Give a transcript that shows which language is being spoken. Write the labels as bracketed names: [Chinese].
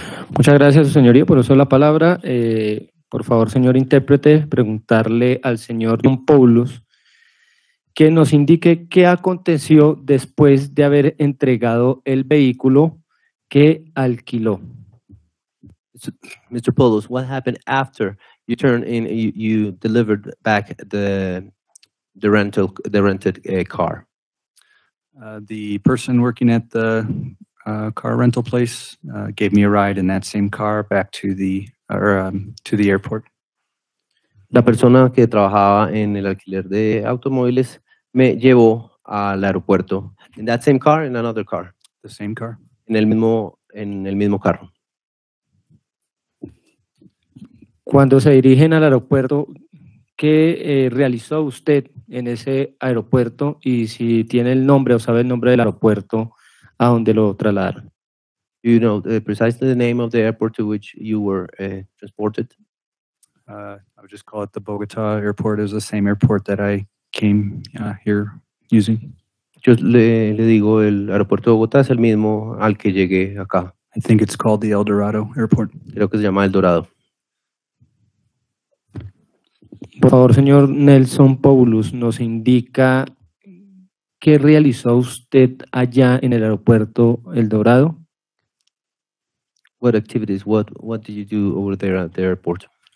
[Spanish] Muchas gracias, señoría, por eso la palabra. Por favor, señor intérprete, preguntarle al señor John Paulus que nos indique qué aconteció después de haber entregado el vehículo que alquiló. [English] Mr. Paulus, what happened after you turned in, you delivered back the rented car. The person working at the car rental place gave me a ride in that same car back to the airport. [Spanish] La persona que trabajaba en el alquiler de automóviles me llevó al aeropuerto. [English] In that same car, in another car. The same car. [Spanish] En el mismo carro. Cuando se dirigen al aeropuerto, ¿qué realizó usted en ese aeropuerto y si tiene el nombre o sabe el nombre del aeropuerto a donde lo trasladaron? [English] You know precisely the name of the airport to which you were transported? I would just call it the Bogotá airport. It was the same airport that I came here using. [Spanish] Yo le digo el aeropuerto de Bogotá es el mismo al que llegué acá. [English] I think it's called the El Dorado airport. [Spanish] Creo que se llama El Dorado. Por favor, señor Nelson Paulus, nos indica qué realizó usted allá en el aeropuerto El Dorado. [English] What activities? What did you do over there at the airport?